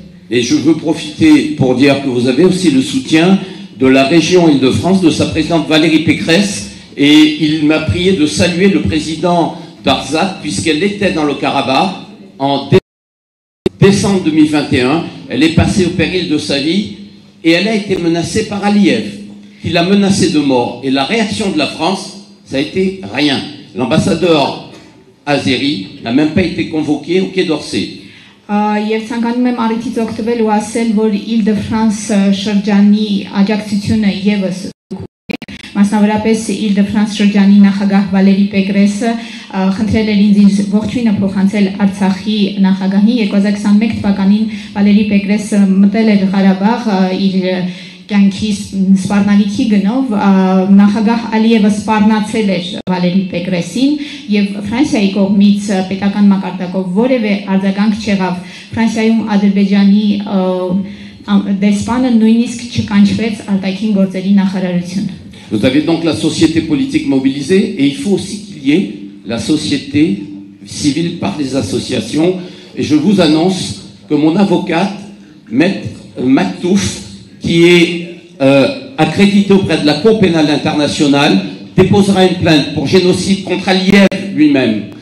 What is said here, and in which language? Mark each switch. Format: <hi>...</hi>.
<fr>Et je veux profiter pour dire que vous avez aussi le soutien de la région Île-de-France, de sa présidente Valérie Pécresse, et il m'a prié de saluer le président Barzat, puisqu'elle était dans le Karabakh en décembre 2021. Elle est passée au péril de sa vie et elle a été menacée par Aliyev, qui l'a menacée de mort. Et la réaction de la France, ça a été rien. L'ambassadeur Azeri n'a même pas été convoqué au Quai d'Orsay.</fr> <hy>Եվ ցանկանում եմ առիթից օգտվել ու ասել, որ Իլ-դե-Ֆրանս շրջանի աջակցությունը եւս մասնավորապես Իլ-դե-Ֆրանս շրջանի նախագահ Վալերի Պեգրեսը խնդրել էր ինձ ողջույնը փոխանցել Արցախի նախագահին 2021 թվականին Վալերի Պեգրեսը մտել էր Ղարաբաղ իր կյանքի սպառնալիքի գնով նախագահ Ալիևը սպառնացել էր Վալերի Պեգրեսին եւ Ֆրանսիայի կողմից պետական մակարդակով որևէ արձագանք չեղավ Ֆրանսիայում Ադրբեջանի դեսպանը նույնիսկ չկանչվեց արտաքին գործերի նախարարություն</hy> <fr>Vous avez donc la société politique mobilisée et il faut aussi qu'il y ait la société civile par les associations et je vous annonce que mon avocate maître Maktouf qui est accrédité auprès de la Cour pénale internationale, déposera une plainte pour génocide contre Aliyev lui-même.</fr>